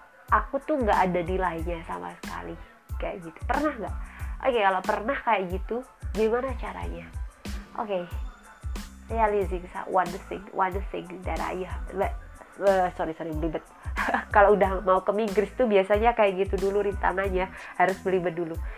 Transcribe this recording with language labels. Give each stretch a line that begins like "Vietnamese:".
Indonesian: aku tuh nggak ada nilainya sama sekali kayak gitu. Pernah nggak? Oke, kalau pernah kayak gitu, gimana caranya?
English: Oke, realizing one thing that I have. Sorry,
Indonesian: ribet. Kalau udah mau ke Inggris tuh biasanya kayak gitu dulu rintangannya, harus belibet dulu.